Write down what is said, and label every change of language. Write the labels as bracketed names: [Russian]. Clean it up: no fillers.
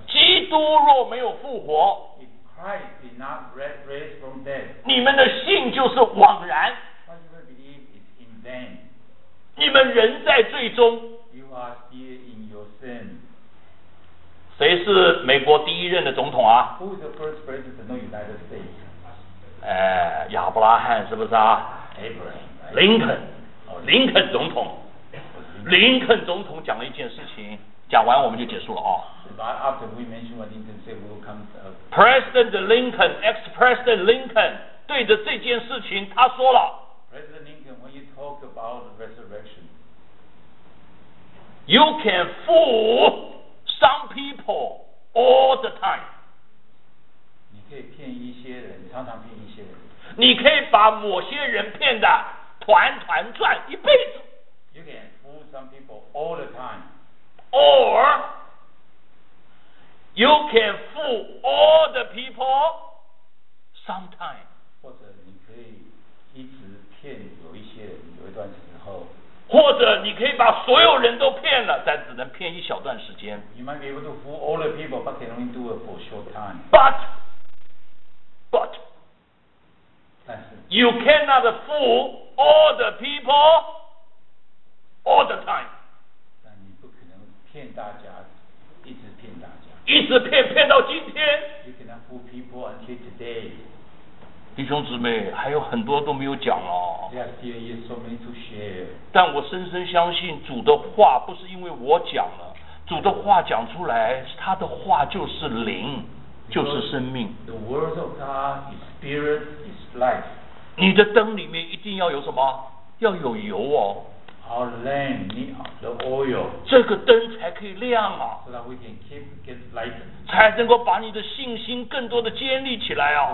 [Chinese] 基督若没有复活， [English] If Christ did not raise from dead, [Chinese] 你们的信就是枉然。 [English] But you believe it's in vain. [Chinese] 你们人在罪中。 [English] You are still in your sin. [Chinese] 谁是美国第一任的总统啊？ [English] Who is the first president of the United States? [Chinese] 亚伯拉罕是不是啊？ [English] Abraham. [Chinese] 林肯。林肯总统，林肯总统讲了一件事情，讲完我们就结束了啊。 [English] After we mention what Lincoln said, we'll come. President Lincoln, ex-President Lincoln, [Chinese] 对着这件事情他说了。 [English] President Lincoln, when you talk about resurrection, you can fool some people all the time. [Chinese] 你可以骗一些人，常常骗一些人。你可以把某些人骗的。团团转一辈子。 [English] You can fool some people all the time. Or you can fool all the people sometime. [Chinese] 或者你可以一直骗有一些人有一段时候。或者你可以把所有人都骗了，但只能骗一小段时间。 [English] You might be able to fool all the people, but can only do it for a short time. But you cannot fool all the people all the time. [Chinese] 但你不可能骗大家，一直骗大家，一直骗骗到今天。 [English] You cannot fool people until today. [Chinese] 弟兄姊妹，还有很多都没有讲哦。 [English] Yes, dear, you have so many to share. [Chinese] 但我深深相信主的话不是因为我讲了，主的话讲出来，他的话就是灵，就是生命。 [English] The words of God is spirit, is life. [Chinese] 你的灯里面一定要有什么？要有油哦。 [English] Our lamp needs the oil. [Chinese] 这个灯才可以亮啊。 [English] So that we can keep get light. [Chinese] 才能够把你的信心更多的建立起来啊。